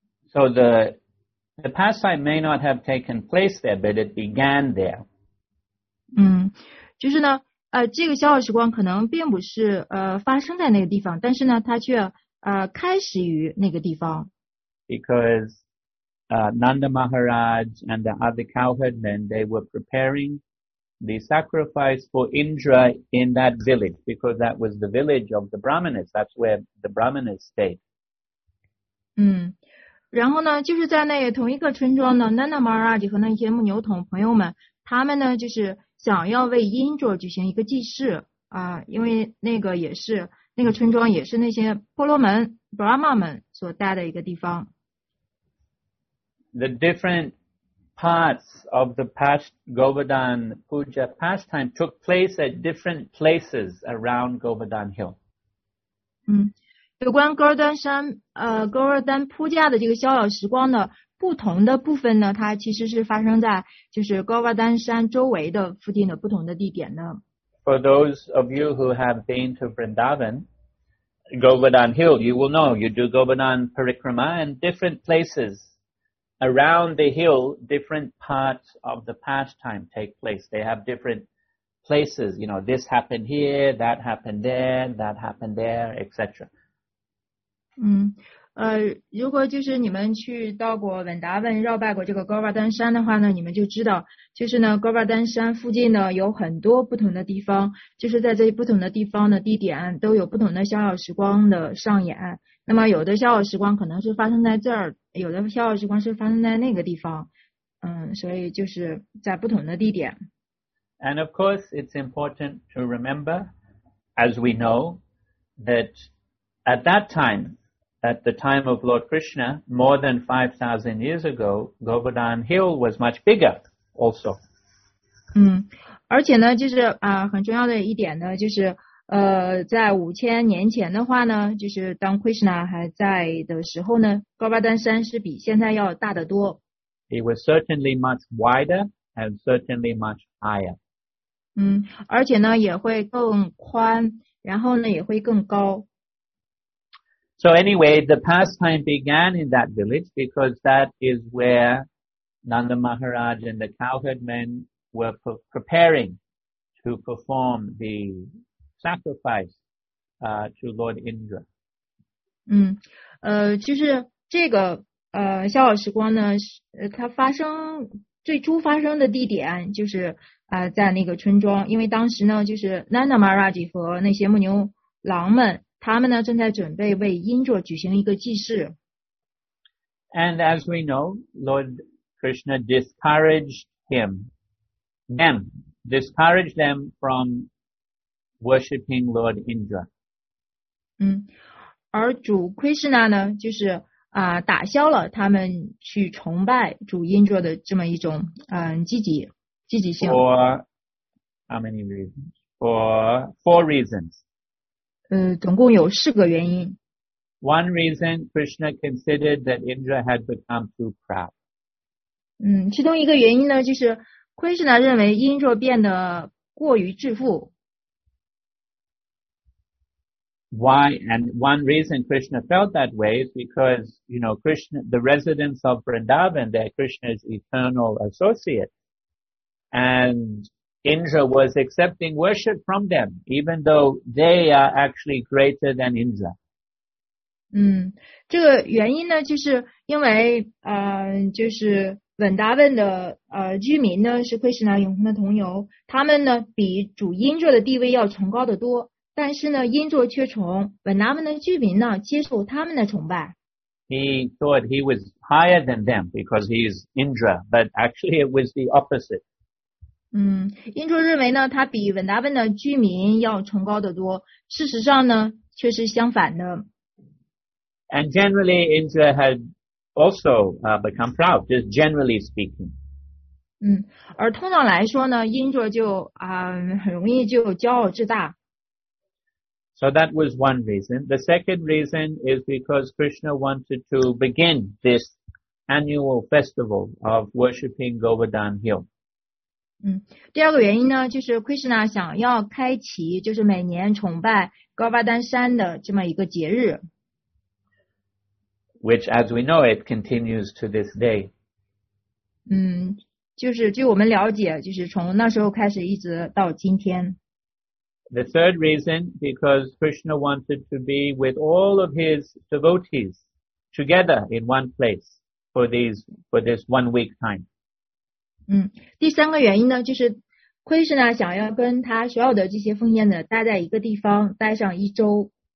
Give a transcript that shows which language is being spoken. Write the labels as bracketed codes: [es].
[en] So the pastime may not have taken place there, but it began there. [zh] 就是呢这个逍遥时光可能并不是发生在那个地方，但是呢它却开始于那个地方。 [en] Because,Nanda Maharaj and the other cowherd men, they were preparing the sacrifice for Indra in that village, because that was the village of the Brahmanas. That's where the Brahmanas stayed. [zh] 然后呢，就是在那同一个村庄呢 ，Nanda Maharaj 和那些牧牛童朋友们，他们呢就是想要为 Indra 举行一个祭祀因为那个也是那个村庄也是那些婆罗门 Brahma 们所待的一个地方。 [en] The different parts of the past Govardhan Puja pastime took place at different places around Govardhan Hill. [zh] 有关戈尔丹山戈尔丹铺架的这个逍遥时光呢，不同的部分呢，它其实是发生在就是戈尔丹山周围的附近的不同的地点呢。 [en] For those of you who have been to Vrindavan, Govardhan Hill, you will know you do Govardhan Parikrama and different places around the hill, different parts of the pastime take place. They have different places, you know, this happened here, that happened there, that happened there, etc. [zh] 如果就是你们去到过文达文绕拜过这个戈瓦丹山的话呢，你们就知道就是呢戈瓦丹山附近呢有很多不同的地方，就是在这不同的地方的地点都有不同的逍遥时光的上演，那么有的逍遥时光可能是发生在这儿，有的逍遥时光是发生在那个地方，所以就是在不同的地点。 [en] And of course it's important to remember, as we know, thatAt that time, at the time of Lord Krishna, more than 5,000 years ago, Govardhan Hill was much bigger also. [zh] 而且呢，就是很重要的一点呢，就是在5000年前的话呢，就是当 Krishna 还在的时候呢， Govardhan 山是比现在要大得多。 [en] It was certainly much wider and certainly much higher. [zh] 而且呢，也会更宽，然后呢，也会更高。 [en] So anyway, the pastime began in that village because that is where Nanda Maharaj and the cowherd men were preparing to perform the sacrifice, to Lord Indra. [zh] 就是这个逍遥时光呢，它发生最初发生的地点就是在那个村庄，因为当时呢，就是 Nanda Maharaj 和那些牧牛郎们。他们呢正在准备为因卓举行一个祭祀。 [en] And as we know, Lord Krishna discouraged them from worshipping Lord Indra. [zh] 而主 Krishna 呢，就是打消了他们去崇拜主因卓的这么一种积极性。 [en] For how many reasons? For four reasons. [zh] 总共有四个原因。 [en] One reason, Krishna considered that Indra had become too proud. [zh] 其中一个原因呢，就是 Krishna 认为 Indra 变得过于自负。 [en] Why? And one reason Krishna felt that way is because, you know, Krishna, the residents of Vrindavan, they're Krishna's eternal associates. And... Indra was accepting worship from them, even though they are actually greater than Indra. [zh] 这个原因呢，就是因为就是文达文的居民呢是奎什纳永恒的同游，他们呢比主因卓的地位要崇高得多，但是呢因卓却从文达文的居民呢接受他们的崇拜。 [en] He thought he was higher than them because he is Indra, but actually it was the opposite. [zh] 因卓认为呢，他比文达文的居民要崇高得多，事实上呢，却是相反的。 [en] And generally, Indra had also become proud, just generally speaking. [zh] 而通常来说呢，因卓就很容易就骄傲自大。 [en] So that was one reason. The second reason is because Krishna wanted to begin this annual festival of worshipping Govardhan Hill. [zh] 第二个原因呢，就是 Krishna 想要开启就是每年崇拜高巴丹山的这么一个节日。 [en] Which, as we know, it continues to this day. [zh] 就是据我们了解，就是从那时候开始一直到今天。 [en] The third reason, because Krishna wanted to be with all of his devotees together in one place for this 1 week time. [zh] 第三个原因呢，就是 Krishna 想要跟他所有的这些奉献者待在一个地方待上一周。